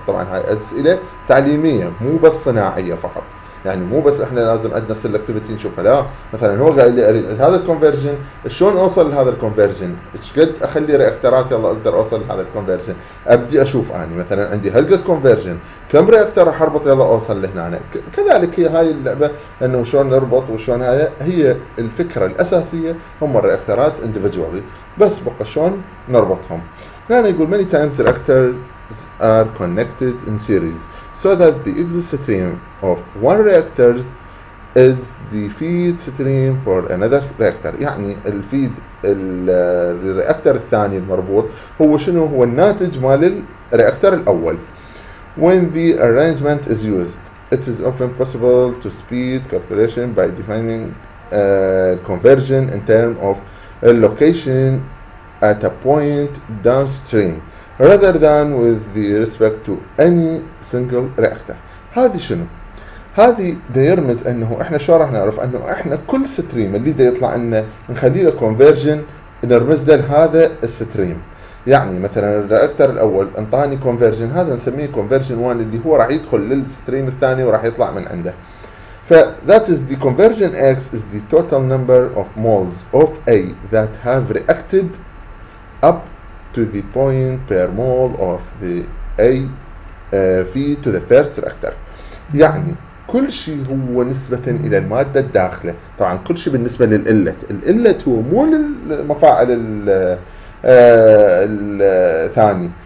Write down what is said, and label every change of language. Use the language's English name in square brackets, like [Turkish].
[Arabic] طبعا هاي اسئله تعليميه مو بس صناعيه فقط، يعني مو بس احنا لازم عندنا سلكتيفيتي نشوفها، لا، مثلا هو قال لي اريد هذا الكونفرجن، شلون اوصل لهذا الكونفرجن؟ ايش قد اخلي رياكترات يلا اقدر اوصل لهذا الكونفرجن؟ ابدي اشوف اني مثلا عندي هل قد كونفرجن، كم رياكتر راح اربط يلا اوصل لهنا. كذلك هي هاي اللعبه انه شلون نربط وشلون، هاي هي الفكره الاساسيه هم الرياكترات اندفجوالي، بس بقى شلون نربطهم. هنا يقول [English] many times reactors are connected in series so that the exit stream of one reactor is the feed stream for another reactor. [Arabic] يعني الفيد الرياكتر الثاني المربوط هو شنو؟ هو الناتج مال الرياكتر الاول. [English] When the arrangement is used it is often possible to speed calculation by defining conversion in terms of a location at a point downstream rather than with the respect to any single reactor. [Arabic] هذه شنو؟ هذه دا يرمز انه احنا شو راح نعرف؟ انه احنا كل ستريم اللي دا يطلع لنا نخلي له كونفرجن، نرمز له هذا الستريم. يعني مثلا الرياكتر الاول انطاني كونفرجن، هذا نسميه كونفرجن 1 اللي هو راح يدخل للستريم الثاني وراح يطلع من عنده. [English] ف that is the conversion x is the total number of moles of A that have reacted up to the point per mole of the A feed to the first reactor. [Arabic] يعني كل شيء هو نسبة إلى المادة الداخلة، طبعا كل شيء بالنسبة للإلت، الإلت هو مو للمفاعل الثاني.